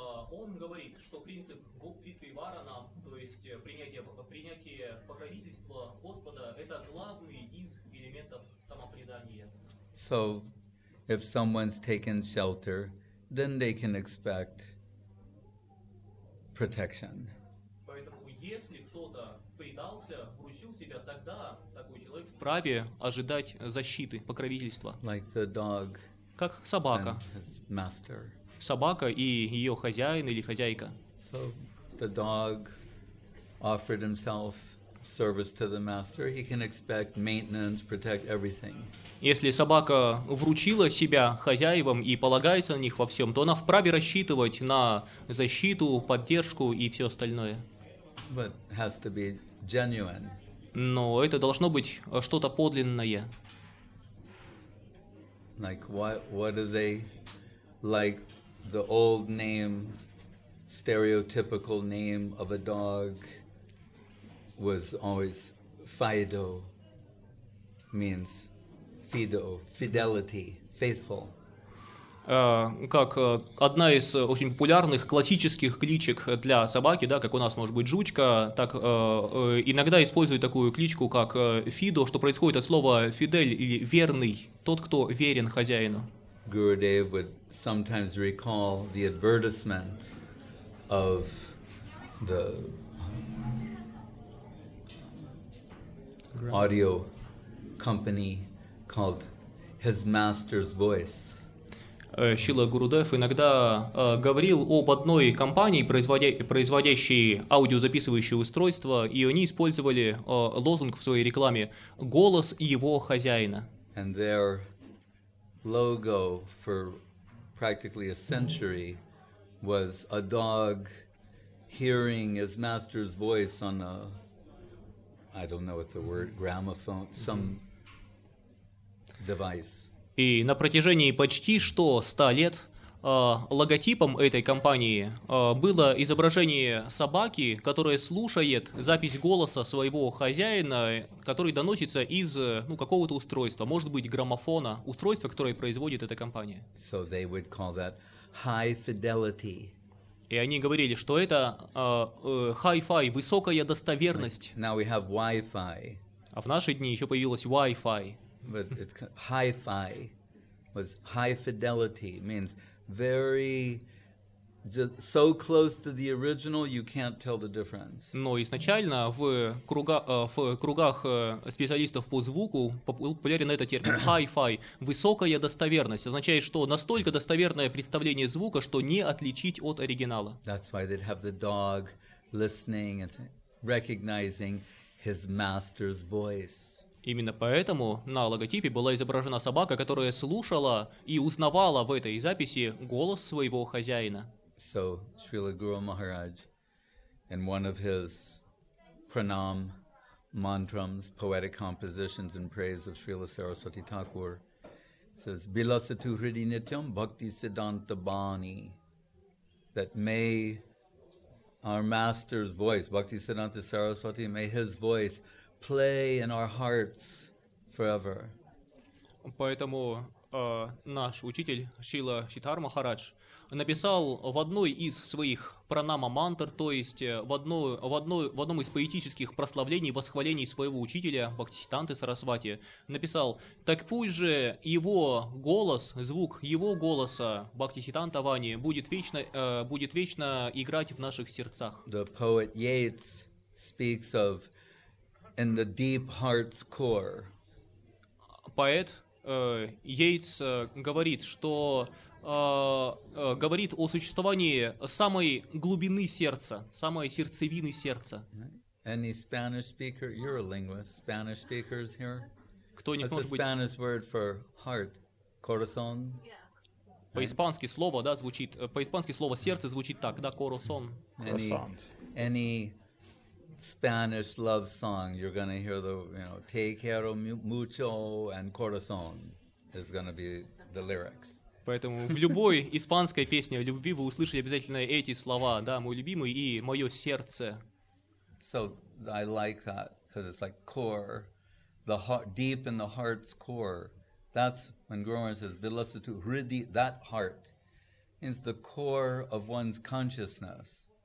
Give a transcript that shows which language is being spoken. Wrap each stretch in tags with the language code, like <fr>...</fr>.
<ru>Он говорит, что принцип Гопритви Варана, то есть принятие покровительства Господа, это главный из элементов самопредания.</ru> <en>So, if someone's taken shelter, then they can expect protection.</en> <ru>Поэтому, если кто-то предался, вручил себя, тогда такой человек вправе ожидать защиты, покровительства.</ru> <en>Like the dog,</en> <ru>как собака.</ru> <en>And his master.</en> <ru>Собака и ее хозяин или хозяйка.</ru> <en>So the dog offered himself service to the master. He can expect maintenance, protect everything.</en> <ru>Если собака вручила себя хозяевам и полагается на них во всем, то она вправе рассчитывать на защиту, поддержку и все остальное.</ru> <en>But has to be genuine.</en> <ru>Но это должно быть что-то подлинное.</ru> <en>Like what are they like? The old name, stereotypical name of a dog was always Fido, means Fido, fidelity, faithful.</en> <ru>Как одна из очень популярных классических кличек для собаки, да, как у нас может быть жучка, так иногда используют такую кличку, как Fido, что происходит от слова фидель или верный, тот, кто верен хозяину.</ru> <en>Gurudev would sometimes recall the advertisement of the audio company called His Master's Voice.</en> <ru>Шрила Гурудев иногда говорил об одной компании, производящей аудиозаписывающие устройства, и они использовали лозунг в своей рекламе «Голос его хозяина».</ru> <en>And there logo for practically a century was a dog hearing his master's voice on a, I don't know what the word, gramophone, some device.</en> <ru>И на протяжении почти что 100 лет логотипом этой компании было изображение собаки, которая слушает запись голоса своего хозяина, который доносится из какого-то устройства, может быть, граммофона, устройства, которое производит эта компания.</ru> <en>So they would call that high fidelity.</en> <ru>И они говорили, что это hi-fi, высокая достоверность.</ru> <en>Now we have Wi-Fi.</en> <ru>А в наши дни еще появилось Wi-Fi.</ru> <en>But it's hi-fi was high fidelity, means very just so close to the original you can't tell the difference.</en> <ru>Но изначально в кругах специалистов по звуку популярен этот термин hi-fi, высокая достоверность, означает, что настолько достоверное представление звука, что не отличить от оригинала.</ru> <en>That's why they'd have the dog listening and recognizing his master's voice.</en> <ru>Именно поэтому на логотипе была изображена собака, которая слушала и узнавала в этой записи голос своего хозяина.</ru> <en>So, Srila Guru Maharaj, in one of his pranam mantras, poetic compositions in praise of Srila Saraswati Thakur, says,</en> <sa>Bilasatu hridi nityam bhakti siddhanta bani,</sa> <en>that may our master's voice, bhakti siddhanta Saraswati, may his voice play in our hearts forever.</en> <ru>Поэтому наш учитель Шрила Сиддхар Махарадж написал в одной из своих пранама-мантр, то есть в одном из поэтических прославлений, восхвалений своего учителя Бхактисиддханты Сарасвати, написал: «Так пусть же его голос, звук его голоса, Бхактисиддханта Вани, будет вечно играть в наших сердцах».</ru> <en>The poet Yeats speaks of in the deep heart's core.</en> <ru>Поэт Йейтс говорит, что говорит о существовании самой глубины сердца, самой сердцевины сердца.</ru> <en>Any Spanish speaker, you're a linguist. Spanish speakers here.</en> <ru>Кто-нибудь может быть?</ru> <en>That's a Spanish word for heart, corazón.</en> <ru>По-испански слово, да, звучит. По-испански слово сердце звучит так, да, corazón.</ru> <en>Any Spanish love song, you're going to hear the, you know,</en> <es>te quiero mucho</es> <en>and corazón is going to be the lyrics.</en> <ru>Поэтому в любой испанской песне о любви вы услышите обязательно эти слова, да, мой любимый и мое сердце.</ru> <en>So I like that, because it's like core, the heart, deep in the heart's core. That's when Gurumaharaj says,</en> <sa>vilasatu hridi,</sa> <en>that heart is the core of one's consciousness.</en>